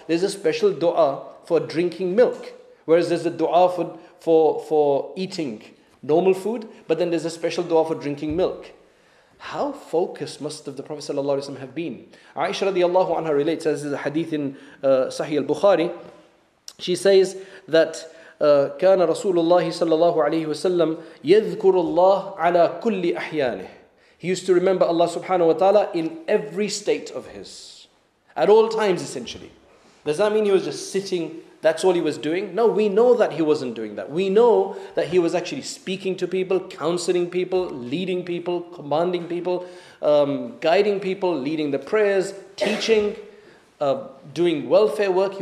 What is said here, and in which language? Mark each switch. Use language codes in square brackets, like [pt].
[en] There's a special du'a for drinking milk. Whereas there's a du'a for eating normal food. But then there's a special du'a for drinking milk. How focused must the Prophet sallallahu alaihi wasallam have been? Aisha radiallahu anha relates, as is a hadith in Sahih al-Bukhari. She says that [ar] كان رسول الله صلى الله عليه وسلم يذكر الله على كل أحيانه. [en] He used to remember Allah subhanahu wa ta'ala in every state of his. At all times essentially. Does that mean he was just sitting, that's all he was doing? No, we know that he wasn't doing that. We know that he was actually speaking to people, counseling people, leading people, commanding people, guiding people, leading the prayers, teaching, doing welfare work.